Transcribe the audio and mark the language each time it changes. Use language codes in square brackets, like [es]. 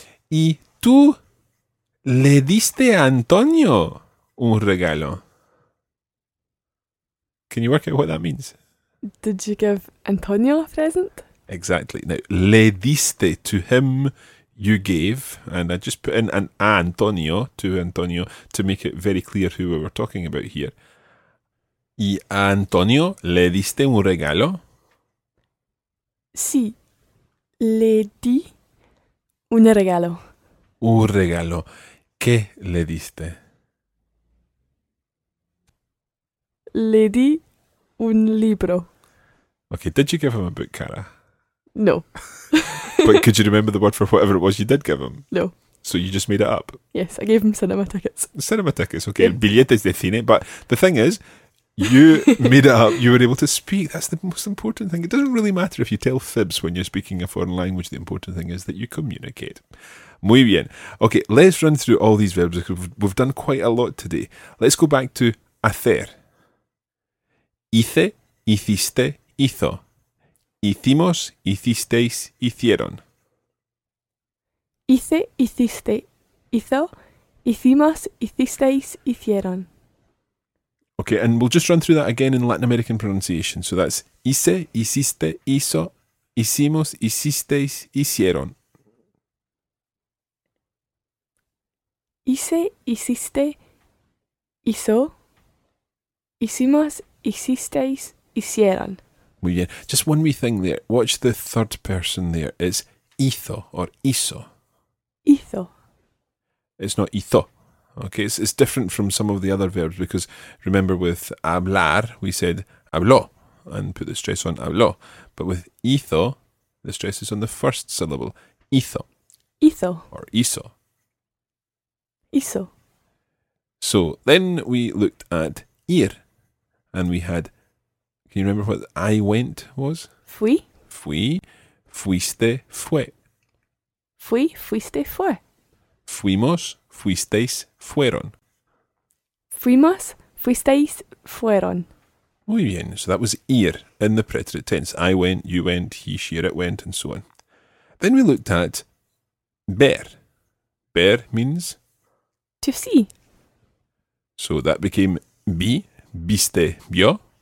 [es] ¿Y tú le diste a Antonio un regalo? [en] Can you work out what that means? Did you give Antonio a present? Exactly. Now, le diste, to him you gave, and I just put in an a Antonio, to Antonio, to make it very clear who we were talking about here. [es] ¿Y a Antonio le diste un regalo? Sí. Le di un regalo. Un regalo. ¿Qué le diste? Le di un libro. [en] Okay, did you give him a book, Cara? No. But could you remember the word for whatever it was you did give him? No. So you just made it up? Yes, I gave him cinema tickets. Cinema tickets, okay. Yeah. [es] Billetes de cine. [en] But the thing is, you made it up. You were able to speak. That's the most important thing. It doesn't really matter if you tell fibs when you're speaking a foreign language. The important thing is that you communicate. [es] Muy bien. [en] Okay, let's run through all these verbs because we've done quite a lot today. Let's go back to hacer. [es] Hice, hiciste, hizo. [en] Hicimos, hicisteis, hicieron. Hice, hiciste, hizo. Hicimos, hicisteis, hicieron. Okay, and we'll just run through that again in Latin American pronunciation. So that's [es] hice, hiciste, hizo, hicimos, hicisteis, hicieron. [en] Hice, hiciste, hizo, hicimos, hicisteis, hicieron. [es] Muy bien. [en] Just one wee thing there. Watch the third person there. It's hizo or hizo. [es] Hizo. [en] It's not hizo. Okay, it's different from some of the other verbs because remember with hablar, we said habló and put the stress on habló. But with hizo, the stress is on the first syllable. [es] Hizo. Hizo. Or hizo. Hizo. [en] So then we looked at ir and we had, can you remember what I went was? [es] Fui. Fui. Fuiste. Fue. Fui. Fuiste. Fue. Fuimos. Fuisteis, fueron. Fuimos, fuisteis, fueron. Muy bien. [en] So that was ir in the preterite tense. I went, you went, he, she, it went, and so on. Then we looked at ver. Ver means? To see. So that became [es] vi, viste, vio.